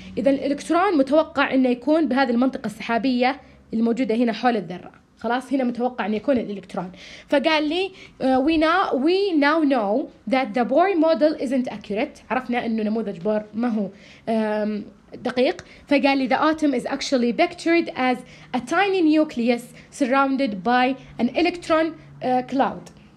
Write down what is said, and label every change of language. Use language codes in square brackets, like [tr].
[ar] اذا الالكترون متوقع انه يكون بهذه المنطقة السحابية الموجودة هنا حول الذرة خلاص، هنا متوقع أن يكون الإلكترون. فقال لي [en] we now know that the Bohr model isn't accurate. [ar] عرفنا أنه نموذج بور ما هو دقيق. فقال لي [en] the atom is actually pictured as a tiny nucleus surrounded by an electron cloud.